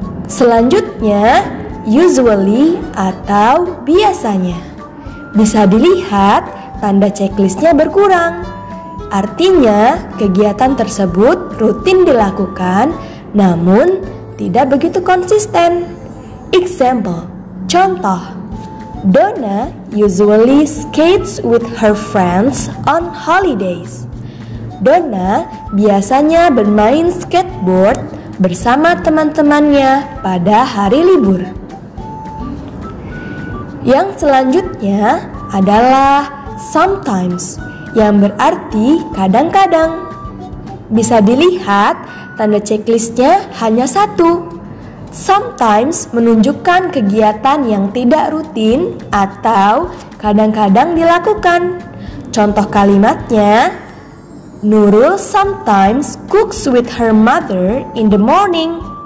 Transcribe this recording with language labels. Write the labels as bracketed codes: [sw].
[id] Selanjutnya, usually atau biasanya. Bisa dilihat tanda checklistnya berkurang. Artinya, kegiatan tersebut rutin dilakukan, namun tidak begitu konsisten. [en] Example, contoh, Donna usually skates with her friends on holidays. [id] Donna biasanya bermain skateboard bersama teman-temannya pada hari libur. Yang selanjutnya adalah sometimes, yang berarti kadang-kadang. Bisa dilihat tanda checklistnya hanya 1. Sometimes menunjukkan kegiatan yang tidak rutin atau kadang-kadang dilakukan. [en] Contoh kalimatnya, Nurul sometimes cooks with her mother in the morning.